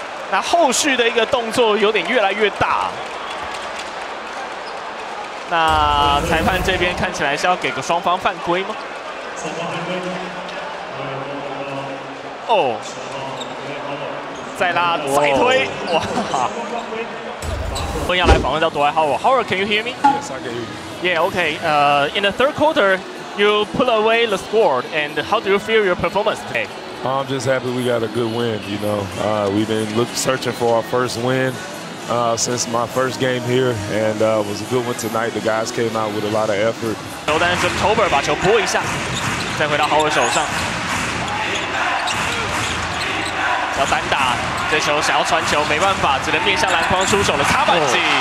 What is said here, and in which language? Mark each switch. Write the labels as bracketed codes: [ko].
[zh] 那后续的一个动作有点越来越大，那裁判这边看起来是要给个双方犯规吗？哦，再拉再推，哇！我们要来访问到Dwight Howard。 [en] Howard， can you hear me？ Yes， I can hear you。 Yeah， OK。 In the third quarter， you pull away the score， and how do you feel your performance today？ I'm just happy we got a good win, you know. We've been searching for our first win since my first game here, and it was a good one tonight. The guys came out with a lot of effort. [zh] Jordan Tober 把球拨一下，再回到 Howard 手上。要单打，这球想要传球没办法，只能面向篮筐出手了。卡板机。